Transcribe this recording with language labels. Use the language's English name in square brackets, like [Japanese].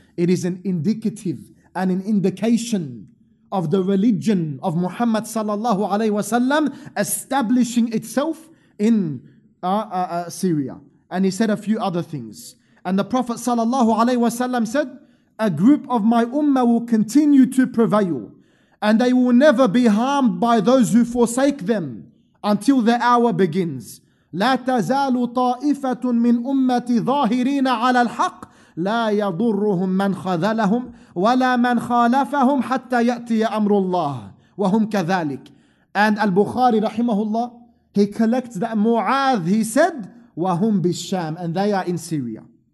[English] It is an indicative and an indication of the religion of Muhammad sallallahu alayhi wasallam establishing itself in Syria. And he said a few other things. And the Prophet sallallahu alayhi wasallam said, a group of my ummah will continue to prevail, and they will never be harmed by those who forsake them until the hour begins. [Arabic] لا تزال طائفة من أمتي ظاهرين على الحق لا يضرهم من خذلهم ولا من خالفهم حتى يأتي أمر الله وهم كذلك. [English] And Al-Bukhari rahimahullah, he collects that Mu'adh, he said, [Arabic] وهم بالشام, [English] and they are in Syria.